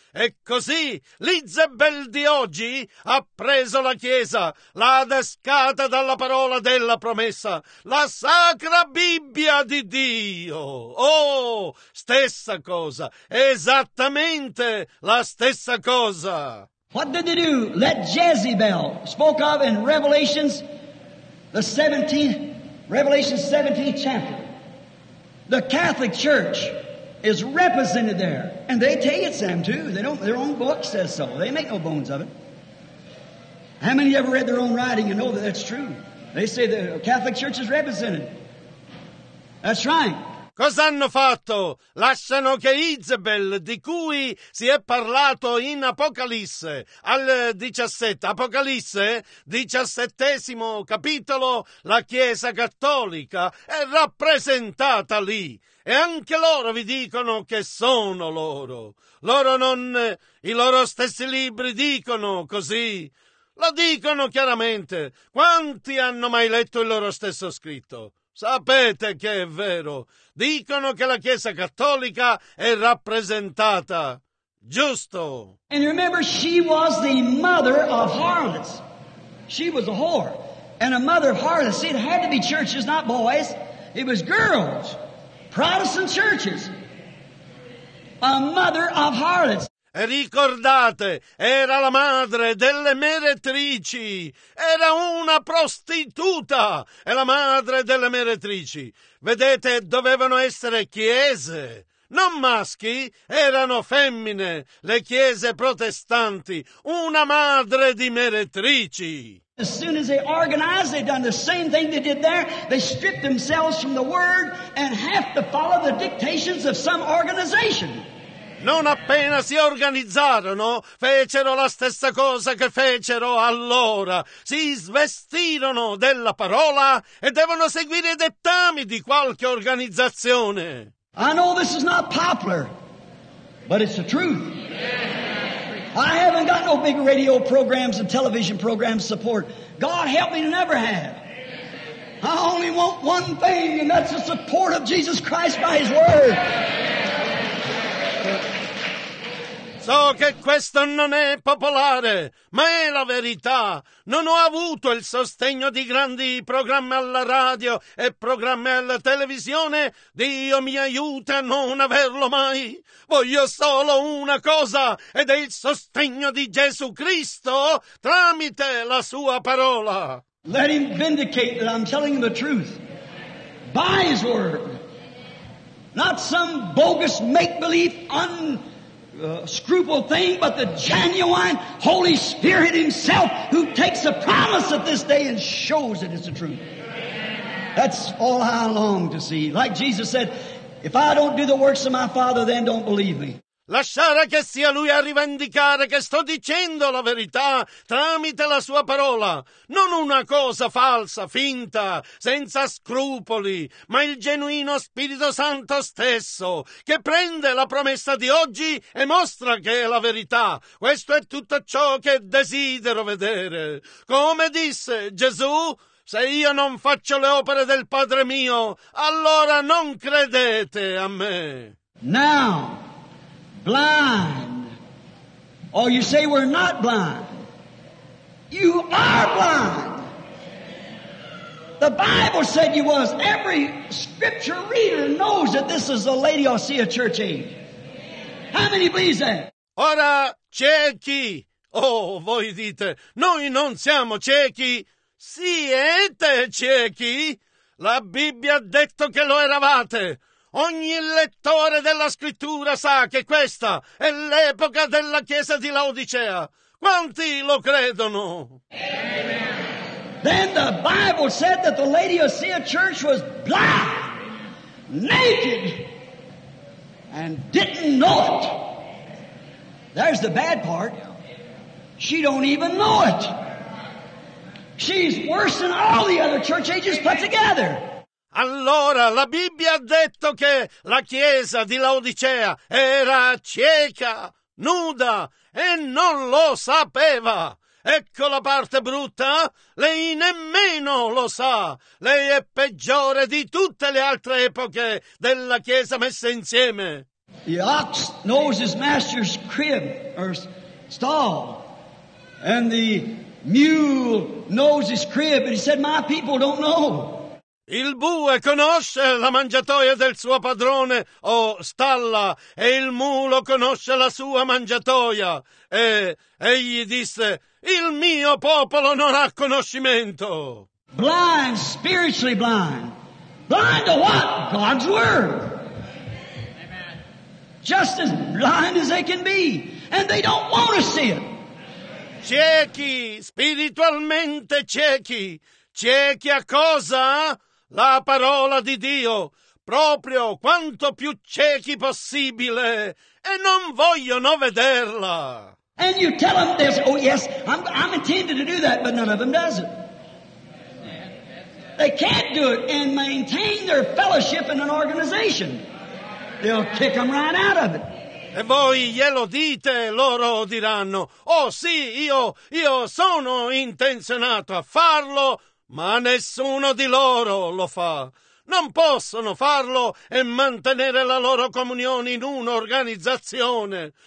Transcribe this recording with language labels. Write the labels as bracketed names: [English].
[Italian] E così l'Izebel di oggi ha preso la Chiesa, l'ha adescata dalla parola della promessa, la sacra Bibbia di Dio. Oh, stessa cosa, esattamente la stessa cosa. [English] What did they do? Let Jezebel, spoke of in Revelation 17 chapter. The Catholic Church is represented there. And they tell you it's them too. Their own book says so. They make no bones of it. How many of you ever read their own writing and know that that's true? They say the Catholic Church is represented. That's right. [Italian] Cosa hanno fatto? Lasciano che Izebel, di cui si è parlato in Apocalisse, al 17, Apocalisse, 17 capitolo, la Chiesa Cattolica è rappresentata lì. E anche loro vi dicono che sono loro. Loro non, i loro stessi libri dicono così. Lo dicono chiaramente. Quanti hanno mai letto il loro stesso scritto? Sapete che è vero. Dicono che la Chiesa Cattolica è rappresentata. Giusto. [English] And you remember, she was the mother of harlots. She was a whore. And a mother of harlots. See, it had to be churches, not boys. It was girls. Protestant churches. A mother of harlots. [Italian] E ricordate, era la madre delle meretrici, era una prostituta, è la madre delle meretrici. Vedete, dovevano essere chiese, non maschi, erano femmine, le chiese protestanti, una madre di meretrici. [English] As soon as they organized, they've done the same thing they did there. They stripped themselves from the word and have to follow the dictations of some organization. [Italian] Non appena si organizzarono, fecero la stessa cosa che fecero allora. Si svestirono della parola e devono seguire i dettami di qualche organizzazione. [English] I know this is not popular, but it's the truth. I haven't got no big radio programs and television programs support. God help me to never have. I only want one thing, and that's the support of Jesus Christ by His Word. [Italian] So che questo non è popolare, ma è la verità. Non ho avuto il sostegno di grandi programmi alla radio e programmi alla televisione. Dio mi aiuta a non averlo mai. Voglio solo una cosa, ed è il sostegno di Gesù Cristo tramite la sua parola. [English] Let him vindicate that I'm telling the truth. By his word. Not some bogus make-believe scruple thing, but the genuine Holy Spirit Himself who takes the promise of this day and shows that it's the truth. That's all I long to see. Like Jesus said, if I don't do the works of my Father, then don't believe me. [Italian] Lasciare che sia Lui a rivendicare che sto dicendo la verità tramite la sua parola, non una cosa falsa, finta, senza scrupoli, ma il genuino Spirito Santo stesso, che prende la promessa di oggi e mostra che è la verità. Questo è tutto ciò che desidero vedere. Come disse Gesù, se io non faccio le opere del Padre mio, allora non credete a me. [English] Now, blind. Oh, you say we're not blind. You are blind. The Bible said you was. Every scripture reader knows that this is the Laodicea church age. How many believe that? [Italian] Ora, ciechi. Oh, voi dite, noi non siamo ciechi. Siete ciechi? La Bibbia ha detto che lo eravate. Ogni lettore della scrittura sa che questa è l'epoca della chiesa di Laodicea. Quanti lo credono? [English] Then the Bible said that the Laodicea church was blind, naked, and didn't know it. There's the bad part. She don't even know it. She's worse than all the other church ages put together. [Italian] Allora, la Bibbia ha detto che la chiesa di Laodicea era cieca, nuda, e non lo sapeva. Ecco la parte brutta. Lei nemmeno lo sa. Lei è peggiore di tutte le altre epoche della chiesa messa insieme. [English] The ox knows his master's crib, or stall, and the mule knows his crib, and he said, my people don't know. [Italian] Il bue conosce la mangiatoia del suo padrone o stalla, e il mulo conosce la sua mangiatoia. E egli disse, il mio popolo non ha conoscimento. [English] Blind, spiritually blind. Blind to what? God's word. Just as blind as they can be. And they don't want to see it. [Italian] Ciechi, spiritualmente ciechi. Ciechi a cosa? La parola di Dio, proprio quanto più ciechi possibile, e non vogliono vederla. [English] And you tell them this, oh yes, I'm intended to do that, but none of them does it. They can't do it and maintain their fellowship in an organization. They'll kick them right out of it. [Italian] E voi glielo dite, loro diranno, oh sì, io sono intenzionato a farlo, ma nessuno di loro lo fa. Non possono farlo e mantenere la loro comunione in un'organizzazione.